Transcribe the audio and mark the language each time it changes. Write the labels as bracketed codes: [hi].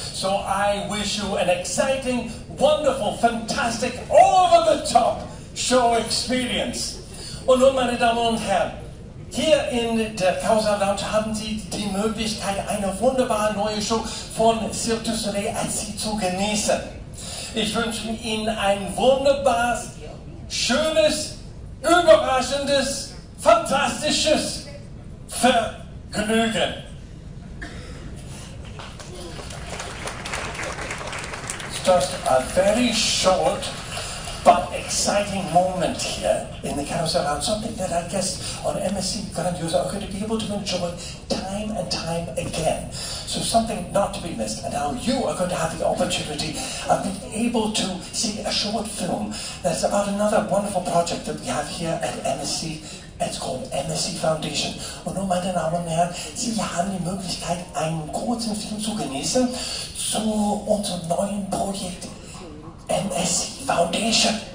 [en] So I wish you an exciting, wonderful, fantastic, over-the-top show experience. [de] Und nun, meine Damen und Herren, hier in der Causa Lounge haben Sie die Möglichkeit, eine wunderbare neue Show von Cirque du Soleil at Sea zu genießen. Ich wünsche Ihnen ein wunderbares, schönes, überraschendes, fantastisches Vergnügen. [en] It's just a very short but exciting moment here in the carousel round. Something that our guests on MSC Grandiosa are going to be able to enjoy time and time again. So something not to be missed. And now you are going to have the opportunity of being able to see a short film that's about another wonderful project that we have here at MSC. It's called MSC Foundation. [de] Und nun, meine Damen und Herren, Sie haben die Möglichkeit, einen kurzen Film zu genießen zu unserem neuen Projekt MSC Foundation.